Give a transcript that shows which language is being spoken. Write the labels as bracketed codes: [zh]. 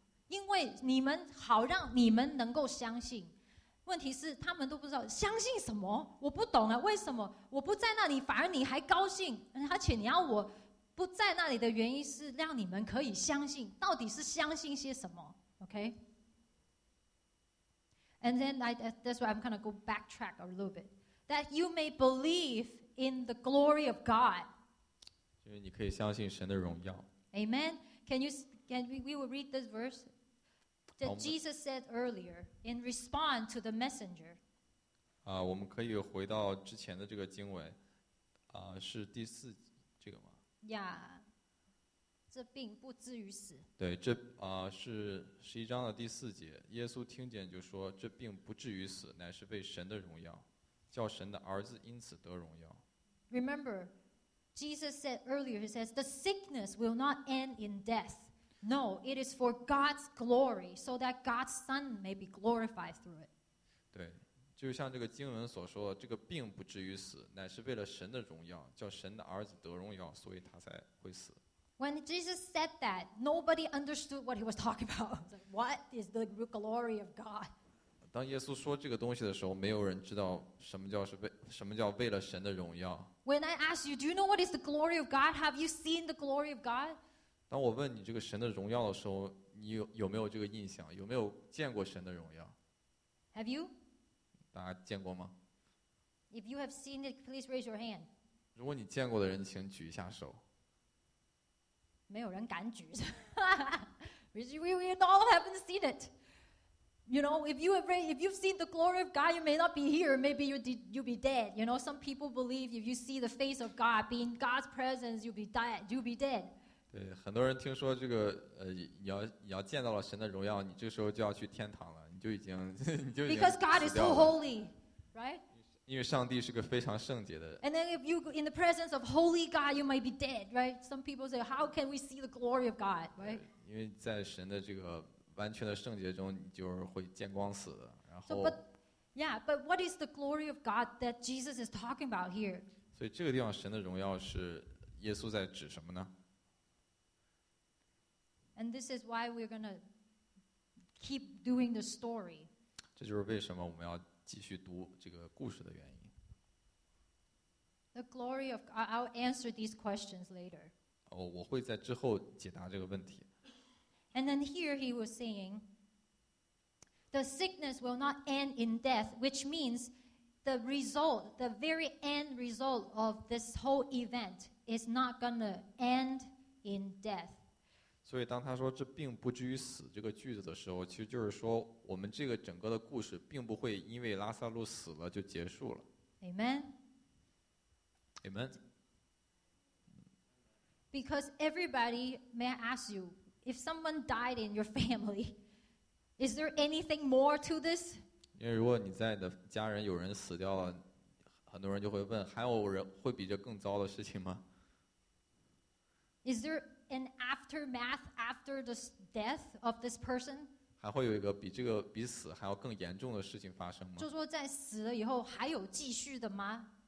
[zh] 因为你们好让你们能够相信，问题是他们都不知道相信什么，我不懂啊，为什么我不在那里反而你还高兴，而且你要我不在那里的原因是让你们可以相信，到底是相信些什么？ [en] OK, and then that's why I'm kind of go backtrack a little bit, that you may believe in the glory of God, [zh] 就是你可以相信神的荣耀。 [en] Amen. Can we will read this verse that Jesus said earlier in response to the messenger. [zh] 我们可以回到之前的这个经文，是第四这个吗？ Yeah, 这病不至于死。对，这是十一章的第四节，耶稣听见就说，这病不至于死，乃是为神的荣耀，叫神的儿子因此得荣耀。 [en] Remember, Jesus said earlier, he says, the sickness will not end in death. No, it is for God's glory, so that God's Son may be glorified through it. [zh] 对，就像这个经文所说，这个病不至于死，乃是为了神的荣耀，叫神的儿子得荣耀，所以他才会死。 [en] When Jesus said that, nobody understood what he was talking about. Was like, what is the glory of God? [zh] 当耶稣说这个东西的时候，没有人知道什么叫为了神的荣耀。 [en] When I ask you, do you know what is the glory of God? Have you seen the glory of God? [zh] 当我问你这个神的荣耀的时候，你有没有这个印象？有没有见过神的荣耀 [en] ？Have you？ [zh] 大家见过吗 [en] ？If you have seen it, please raise your hand. [zh] 如果你见过的人，请举一下手。没有人敢举。 [en] We all haven't seen it. You know, if you've seen the glory of God, you may not be here. Maybe you'll be dead. You know, some people believe if you see the face of God, being God's presence, you'll be dead. [zh] 对，很多人听说这个，你要见到了神的荣耀，你这时候就要去天堂了，你就已经死掉了。 [en] Because God is so holy, right? [zh] 因为上帝是个非常圣洁的。 [en] And then if you in the presence of holy God, you might be dead, right? Some people say, how can we see the glory of God, right? [zh] 因为在神的这个完全的圣洁中，你就是会见光死的。然后 [en] but what is the glory of God that Jesus is talking about here? [zh] 所以这个地方神的荣耀是耶稣在指什么呢？ [en] And this is why we're going to keep doing the story. [zh] 这就是为什么我们要继续读这个故事的原因。 [en] The glory of I'll answer these questions later. [zh] 我会在之后解答这个问题。 [en] And then here he was saying the sickness will not end in death, which means the result, the very end result of this whole event is not going to end in death. [zh] 所以当他说这病不至于死这个句子的时候，其实就是说我们这个整个的故事并不会因为拉撒路死了就结束了。 [en] Amen. Amen. Because everybody, may I ask you, if someone died in your family, is there anything more to this? [zh] 因为如果你在你的家人有人死掉了，很多人就会问，还有人会比这更糟的事情吗？ [en] Is thereAn aftermath after the death of this person? [zh] 还会有一个比这个比死还要更严重的事情发生吗？就说在死了以后还有继续的吗？